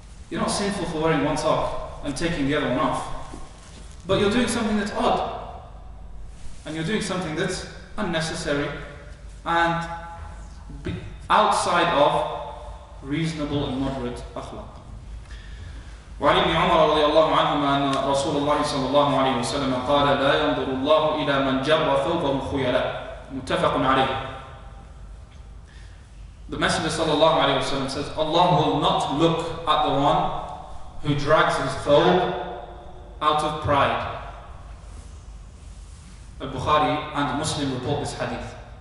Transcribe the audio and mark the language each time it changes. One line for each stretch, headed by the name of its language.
English: You're not sinful for wearing one sock and taking the other one off. But you're doing something that's odd. And you're doing something that's unnecessary and outside of reasonable and moderate akhlaq.
Arabic: وعن ابن عمر رضي الله عنهما أن رسول الله صلى الله عليه وسلم قال لا ينظر الله إلى من جر ثوبه خيلاء متفق عليه.
English: The Messenger sallallahu alayhi wa sallam says, Allah will not look at the one who drags his thobe out of pride. Al-Bukhari and Muslim report this hadith.